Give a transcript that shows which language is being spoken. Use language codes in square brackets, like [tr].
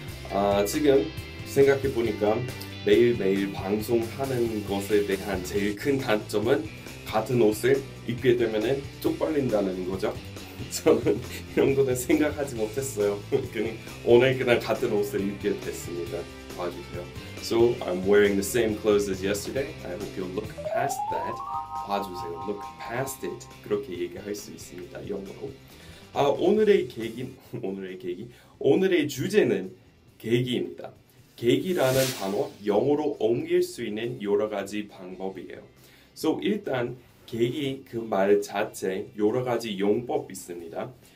[ko] 아, 지금 생각해보니까 매일매일 방송하는 것에 대한 제일 큰 단점은 같은 옷을 입게 되면 쪽팔린다는 거죠. 저는 이런 거는 생각하지 못했어요. 그냥 오늘 그냥 같은 옷을 입게 됐습니다. 봐주세요. [en] So I'm wearing the same clothes as yesterday. I hope you'll look past that. [ko] 봐주세요. [en] Look past it. [ko] 그렇게 얘기할 수 있습니다. 영어로. 아, 오늘의 주제는 계기입니다. 계기라는 단어 영어로 옮길 수 있는 여러 가지 방법이에요. So 일단 계기 그 말 자체 여러 가지 용법 있습니다.